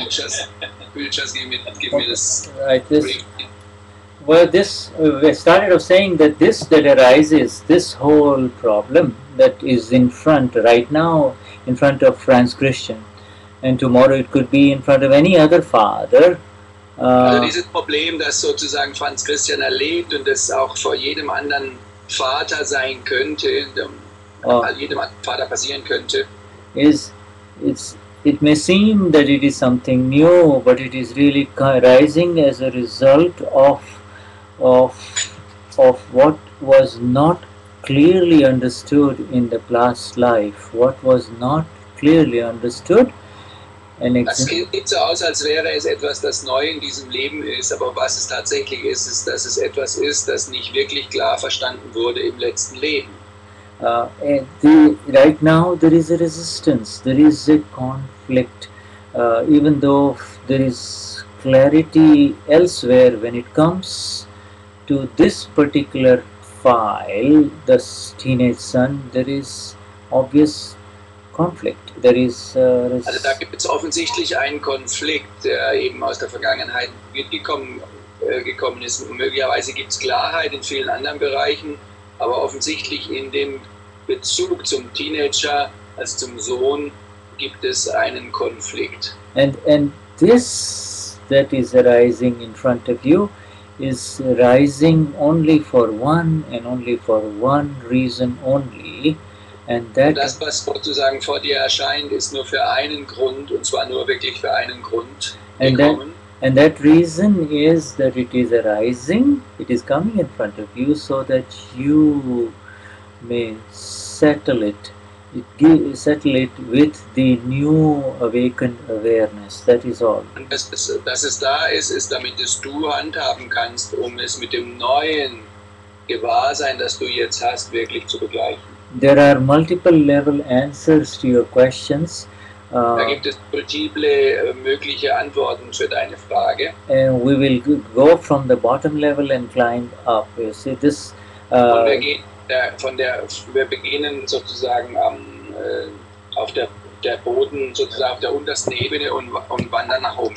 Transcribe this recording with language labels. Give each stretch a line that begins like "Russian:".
English: Could you just give me this? Right, we started off saying that this that arises, this whole problem that is in front right now, in front of Franz Christian. And tomorrow it could be in front of any other father.
German: Also dieses Problem, das sozusagen Franz Christian erlebt und das auch vor jedem anderen Vater sein könnte, jedem Vater passieren könnte,
English: it may seem that it is something new, but it is really arising as a result of what was not clearly understood in the past life. What was not clearly understood.
German: Es sieht so aus, als wäre es etwas, das neu in diesem Leben ist, aber was es tatsächlich ist, ist, dass es etwas ist, das nicht wirklich klar verstanden wurde im letzten Leben.
English: Right now there is a resistance, there is a conflict, even though there is clarity elsewhere, when it comes to this particular file, the teenage son, there is obvious conflict.
German: Also da gibt es offensichtlich einen Konflikt, der eben aus der Vergangenheit gekommen ist. Möglicherweise gibt es Klarheit in vielen anderen Bereichen, aber offensichtlich in dem Bezug zum Teenager, also zum Sohn, gibt es einen Konflikt.
English: And this that is arising in front of you is arising only for one and only for one reason only. And that,
German: das, was sozusagen vor dir erscheint, ist nur für einen Grund, und zwar nur wirklich für einen Grund gekommen.
English: And that reason is that it is arising, it is coming in front of you, so that you may settle it with the new awakened awareness. That is all.
German: Dass es da ist, ist, damit es du handhaben kannst, um es mit dem neuen Gewahrsein, das du jetzt hast, wirklich zu begleichen.
English: There are multiple level answers to your questions.
German: Da gibt es multiple mögliche Antworten für deine Frage.
English: And we will go from the bottom level and climb up. You see this.
German: Und wir gehen von der wir beginnen sozusagen am auf der der Boden sozusagen auf der untersten Ebene und wandern nach oben.